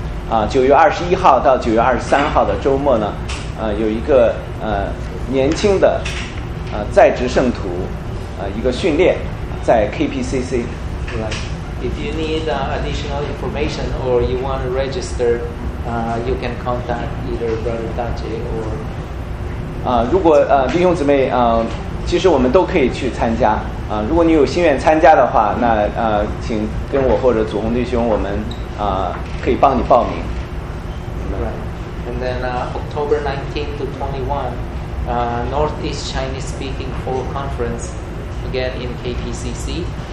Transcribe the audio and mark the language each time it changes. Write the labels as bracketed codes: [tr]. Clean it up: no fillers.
[zh] 9月21号到9月23号的周末呢，有一个年轻的在职圣徒一个训练在 KPCC。 [en] Right. If you need additional information or you want to register, you can contact either Brother Dajie or. [zh] 如果弟兄姊妹其实我们都可以去参加如果你有心愿参加的话，那请跟我或者祖宏弟兄，我们可以帮你报名。 [en] Right. And then October 19 to 21, Northeast Chinese Speaking Fall Conference, again in KPCC.